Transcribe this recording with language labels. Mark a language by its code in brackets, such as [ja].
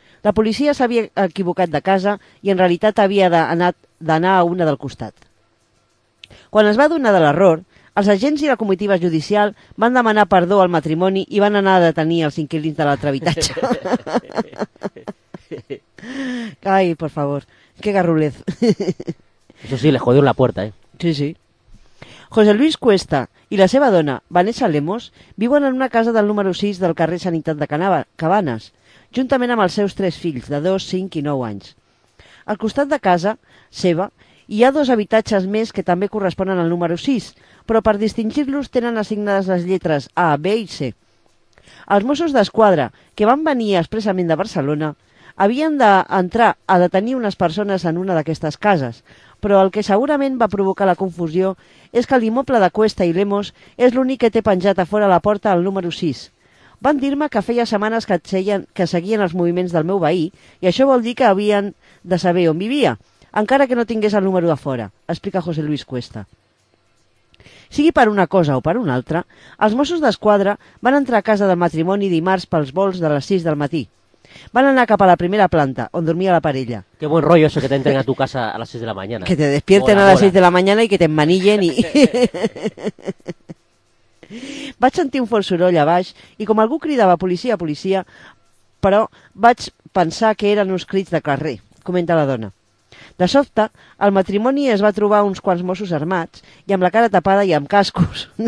[ca] La policia s'havia equivocat de casa i en realitat havia d'anar a una del costat. Quan es va adonar de l'error, els agents i la comitiva judicial van demanar perdó al matrimoni i van anar a detenir els inquilins de l'altre habitatge. [es] Ai, por favor, qué garrulez. Eso sí, les jodió la puerta, ¿eh? Sí, sí. [ca] José Luis Cuesta i la seva dona, Vanessa Lemos, viuen en una casa del número 6 del carrer Sanitat de Cabanes, juntament amb els seus tres fills, de 2, 5 i 9 anys. Al costat de casa seva hi ha dos habitatges més que també corresponen al número 6, però per distingir-los tenen assignades les lletres A, B i C. Els Mossos d'Esquadra, que van venir expressament de Barcelona, havien d'entrar a detenir unes persones en una d'aquestes cases, però el que segurament va provocar la confusió és que l'immoble de Cuesta i Lemos és l'únic que té penjat a fora la porta al número 6. Van dir-me que feia setmanes que seguien els moviments del meu veí i això vol dir que havien de saber on vivia, encara que no tingués el número a fora, explica José Luis Cuesta. Sigui per una cosa o per una altra, els Mossos d'Esquadra van entrar a casa del matrimoni dimarts pels vols de les 6 del matí. Van anar cap a la primera planta, on dormia la parella. [es] Qué buen rollo eso que te entren a tu casa a las 6 de la mañana. Que te despierten a las 6 de la mañana y que te emmanillen. [ca] Vaig sentir un fort soroll a baix i com algú cridava policia, policia, però vaig pensar que eren uns crits de carrer, comenta la dona. De sobte, el matrimoni es va trobar uns quants Mossos armats i amb la cara tapada i amb cascos.